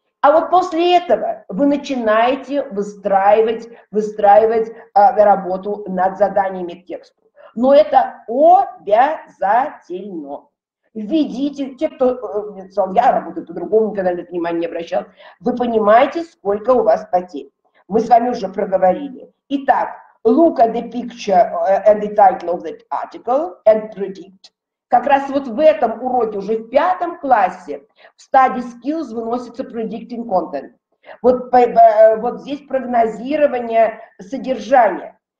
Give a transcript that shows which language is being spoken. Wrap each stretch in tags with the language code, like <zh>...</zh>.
<ru>А вот после этого вы начинаете выстраивать работу над заданиями к тексту. Но это обязательно. Введите, те, кто сказал, я работаю по-другому, никогда на это внимание не обращал, вы понимаете, сколько у вас потерь. Мы с вами уже проговорили. Итак,</ru> <en>look at the picture and the title of that article and predict.</en> <ru>Как раз вот в этом уроке, уже в пятом классе, в стадии skills выносится</ru> <en>predicting content.</en> <ru>Вот, вот здесь прогнозирование содержания.</ru>